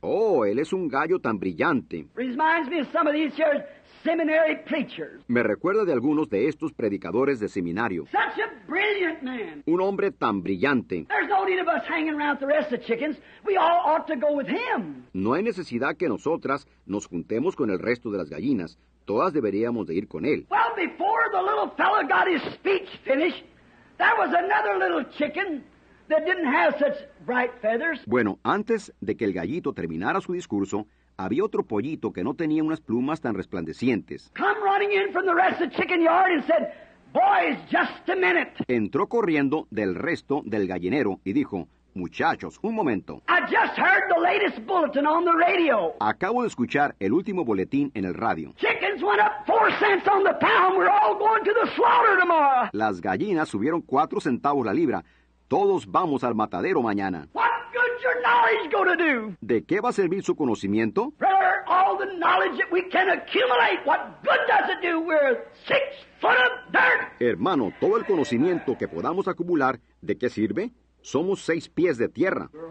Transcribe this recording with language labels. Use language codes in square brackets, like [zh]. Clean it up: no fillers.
[es] Oh, él es un gallo tan brillante. [en] Reminds me of some of these here seminary preachers. [es] Me recuerda de algunos de estos predicadores de seminario. [en] Such a brilliant man. [es] Un hombre tan brillante. [en] There's no need of us hanging around the rest of the chickens. We all ought to go with him. [es] No hay necesidad que nosotras nos juntemos con el resto de las gallinas. Todas deberíamos de ir con él. [en] Well, before the little fellow got his speech finished, there was another little chicken that didn't have such bright feathers. [es] Bueno, antes de que el gallito terminara su discurso, había otro pollito que no tenía unas plumas tan resplandecientes. [en] Come running in from the rest of the chicken yard and said, boys, just a minute. [es] Entró corriendo del resto del gallinero y dijo, muchachos, un momento. [en] I just heard the latest bulletin on the radio. [es] Acabo de escuchar el último boletín en el radio. [en] Chickens went up 4 cents on the pound. We're all going to the slaughter tomorrow. [es] Las gallinas subieron 4 centavos la libra. Todos vamos al matadero mañana. [en] What good's your knowledge going to do? [es] ¿De qué va a servir su conocimiento? [en] Brother, all the knowledge that we can accumulate, what good does it do? We're 6 foot of dirt. [es] Hermano, todo el conocimiento que podamos acumular, ¿de qué sirve? Somos 6 pies de tierra.